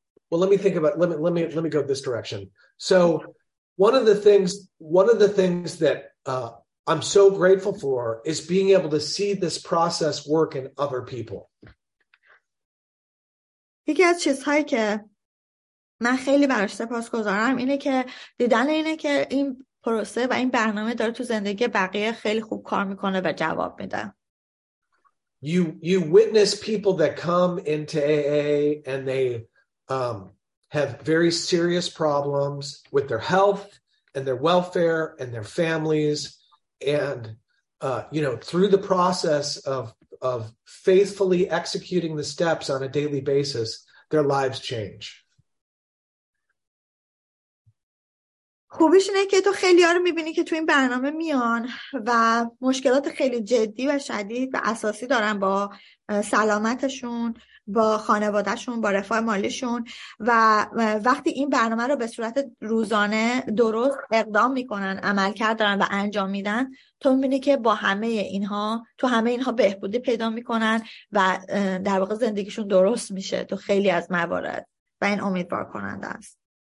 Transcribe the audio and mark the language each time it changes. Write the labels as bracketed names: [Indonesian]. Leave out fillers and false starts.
[English] Well, let me think about. Let me go this direction. So. One of the things that I'm so grateful for is being able to see this process work in other people. [Persian] یکی از چیزهایی که من خیلی براش سپاسگزارم اینه که دیدن اینه که این پروسه و این برنامه داره تو زندگی بقیه خیلی خوب کار میکنه و جواب میده. [English] You witness people that come into AA and they have very serious problems with their health and their welfare and their families. And, you know, through the process of faithfully executing the steps on a daily basis, their lives change. [Persian] خوبیش اینه که تو خیلی ها رو میبینی که تو این برنامه میان و مشکلات خیلی جدی و شدید و اساسی دارن با سلامتشون، با خانوادهشون، با رفاه مالیشون و وقتی این برنامه رو به صورت روزانه درست اقدام میکنن، عمل کردن و انجام میدن، تو میبینی که با همه اینها، تو همه اینها بهبودی پیدا میکنن و در واقع زندگیشون درست میشه تو خیلی از موارد و این امیدوار کننده است.